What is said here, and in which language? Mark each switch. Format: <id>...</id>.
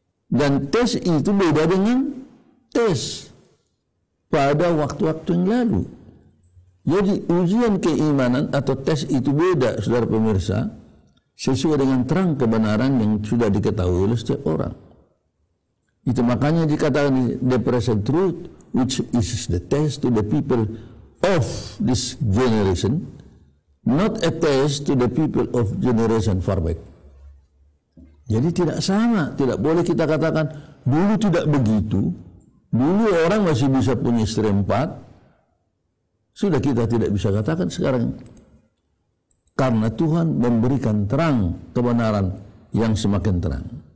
<id>Dan tes itu beda dengan tes pada waktu-waktu yang lalu. Jadi ujian keimanan atau tes itu beda, saudara pemirsa, sesuai dengan terang kebenaran yang sudah diketahui oleh setiap orang. Itu makanya dikatakan</id> <en>the present truth, which is the test to the people of this generation, not a test to the people of generation far back.</en> <id>Jadi tidak sama, tidak boleh kita katakan dulu tidak begitu, dulu orang masih bisa punya istri 4, sudah kita tidak bisa katakan sekarang. Karena Tuhan memberikan terang kebenaran yang semakin terang.</id>